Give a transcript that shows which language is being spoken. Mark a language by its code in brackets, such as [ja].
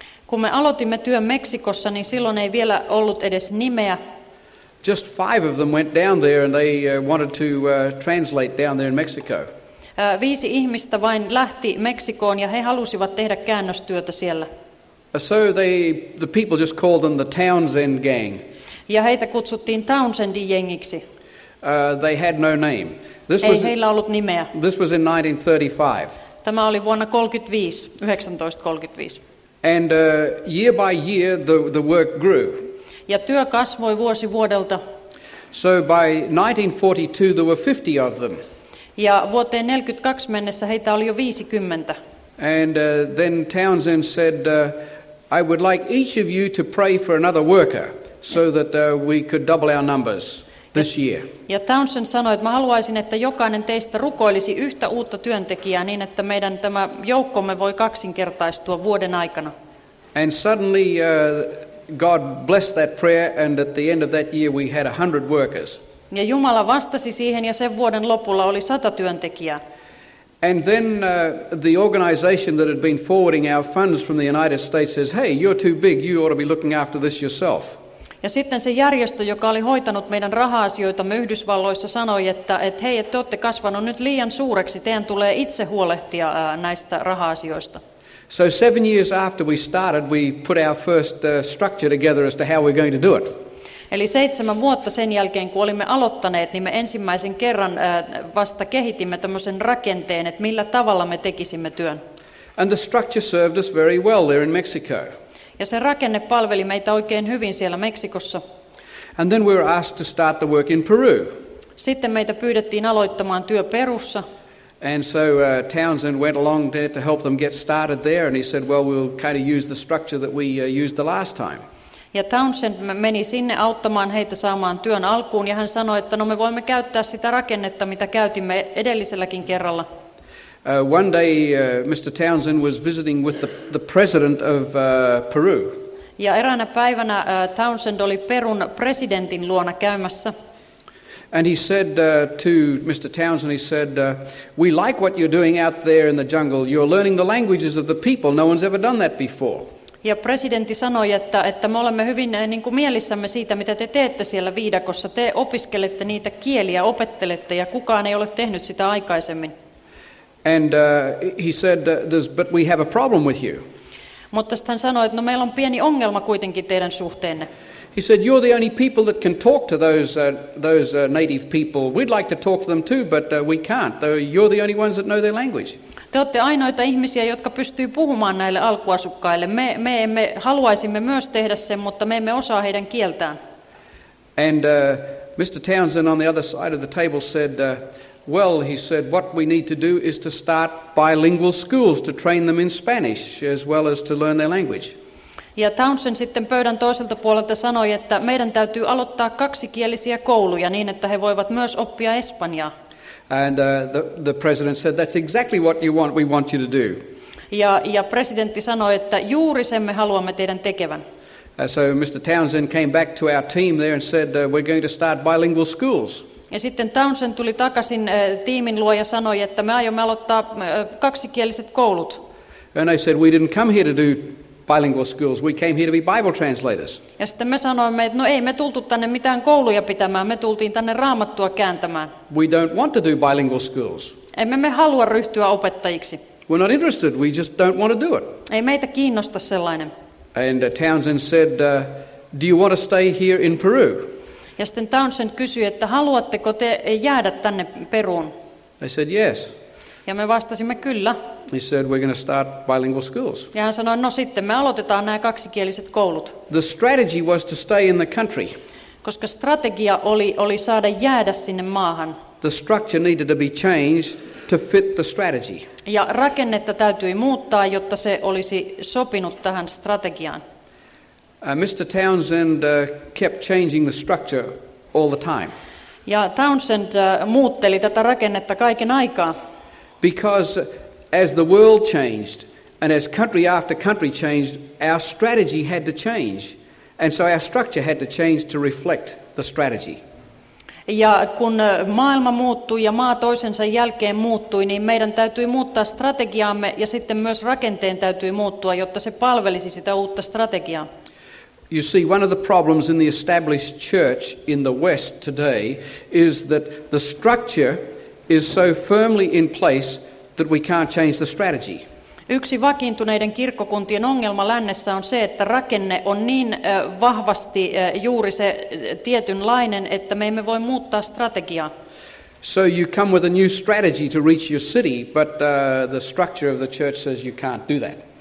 [fi] Kun me aloitimme työn Meksikossa, niin silloin ei vielä ollut edes nimeä. [en] Just five of them went down there and they wanted to translate down there in Mexico. [fi] Viisi ihmistä vain lähti Meksikoon ja he halusivat tehdä käännöstyötä siellä. [en] So the people just called them the Townsend gang. [fi] Ja heitä kutsuttiin Townsendin jengiksi. [en] They had no name. [fi] This ei heillä ollut nimeä. [en] This was in 1935. [fi] Tämä oli vuonna 1935. [en] And year by year, the work grew. [fi] Ja työ kasvoi vuosi vuodelta. [en] So by 1942, there were 50 of them. [fi] Ja vuoteen 42 mennessä heitä oli jo 50. [en] And then Townsend said, I would like each of you to pray for another worker, so that we could double our numbers this year. [fi] Ja Townsend sanoi, että mä haluaisin, että jokainen teistä rukoilisi yhtä uutta työntekijää niin, että meidän tämä joukkomme voi kaksinkertaistua vuoden aikana. [en] And suddenly God blessed that prayer, and at the end of that year we had 100 workers. [fi] Ja Jumala vastasi siihen, ja sen vuoden lopulla oli 100 työntekijää. [en] And then the organization that had been forwarding our funds from the United States says, hey, you're too big, you ought to be looking after this yourself. [fi] Ja sitten se järjestö, joka oli hoitanut meidän raha-asioita me Yhdysvalloissa, sanoi, että hei, te olette kasvanut nyt liian suureksi, teidän tulee itse huolehtia näistä raha-asioista. [en] So 7 years after we started, we put our first structure together as to how we're going to do it. [fi] Eli 7 vuotta sen jälkeen, kun olimme aloittaneet, niin me ensimmäisen kerran vasta kehitimme tämmöisen rakenteen, että millä tavalla me tekisimme työn. [en] And the structure served us very well there in Mexico. [fi] Ja se rakenne palveli meitä oikein hyvin siellä Meksikossa. [en] And then we were asked to start the work in Peru. [fi] Sitten meitä pyydettiin aloittamaan työ Perussa. [en] And so Townsend went along there to help them get started there, and he said, well, we'll kind of use the structure that we used the last time. [fi] Ja Townsend meni sinne auttamaan heitä saamaan työn alkuun, ja hän sanoi, että no, me voimme käyttää sitä rakennetta, mitä käytimme edelliselläkin kerralla. [en] One day Mr. Townsend was visiting with the president of Peru. [fi] Ja eräänä päivänä Townsend oli Perun presidentin luona käymässä. [en] And he said to Mr. Townsend, he said, we like what you're doing out there in the jungle. You're learning the languages of the people. No one's ever done that before. [fi] Ja presidentti sanoi, että me olemme hyvin niin kuin mielissämme siitä, mitä te teette siellä viidakossa. Te opiskelette niitä kieliä, opettelette, ja kukaan ei ole tehnyt sitä aikaisemmin. [en] And he said, but we have a problem with you. [fi] Mutta hän sanoi, että no, meillä on pieni ongelma kuitenkin teidän suhteenne. [en] He said, you're the only people that can talk to those native people. We'd like to talk to them too, but we can't. You're the only ones that know their language. [fi] Te olette ainoita ihmisiä, jotka pystyy puhumaan näille alkuasukkaille. Me emme haluaisimme myös tehdä sen, mutta me emme osaa heidän kieltään. [en] And Mr. Townsend on the other side of the table said, well, he said, what we need to do is to start bilingual schools to train them in Spanish as well as to learn their language. [fi] Ja Townsend sitten pöydän toiselta puolelta sanoi, että meidän täytyy aloittaa kaksikielisiä kouluja niin, että he voivat myös oppia espanjaa. [en] And the president said, that's exactly what you want, we want you to do. [fi] Ja presidentti sanoi, että juuri sen me haluamme teidän tekevän. [en] So Mr. Townsend came back to our team there and said, we're going to start bilingual schools. [fi] Ja sitten Townsend tuli takaisin tiimin luo ja sanoi, että me aiomme aloittaa kaksikieliset koulut. [en] And I said, we didn't come here to do bilingual schools, we came here to be Bible translators. [fi] Ja sitten me sanoimme, että no, ei me tultu tänne mitään kouluja pitämään, me tultiin tänne Raamattua kääntämään. [en] We don't want to do bilingual schools. [fi] Emme me halua ryhtyä opettajiksi. [en] We're not interested, we just don't want to do it. [fi] Ei meitä kiinnosta sellainen. [en] And Townsend said, do you want to stay here in Peru? [fi] Ja sitten Townsend kysyi, että haluatteko te jäädä tänne Peruun? [en] I said yes. [fi] Ja me vastasimme kyllä. [en] He said, we're going to start bilingual schools. [fi] Ja hän sanoi, no sitten me aloitetaan nämä kaksikieliset koulut. [en] The strategy was to stay in the country. [fi] Koska strategia oli saada jäädä sinne maahan. [en] The structure needed to be changed to fit the strategy. [fi] Ja rakennetta täytyi muuttaa, jotta se olisi sopinut tähän strategiaan. [en] Mr. Townsend kept changing the structure all the time. [fi] Ja Townsend muutteli tätä rakennetta kaiken aikaa. [en] Because as the world changed, and as country after country changed, our strategy had to change. And so our structure had to change to reflect the strategy. [fi] Ja kun maailma muuttui ja maa toisensa jälkeen muuttui, niin meidän täytyi muuttaa strategiaamme, ja sitten myös rakenteen täytyi muuttua, jotta se palvelisi sitä uutta strategiaa. [en] You see, one of the problems in the established church in the West today is that the structure is so firmly in place that we can't change the strategy. [fi] Yksi vakiintuneiden kirkkokuntien ongelma lännessä on se, että rakenne on niin vahvasti juuri se tietynlainen, että me emme voi muuttaa strategiaa. [en] So you come with a new strategy to reach your city, but the structure of the church says you can't do that.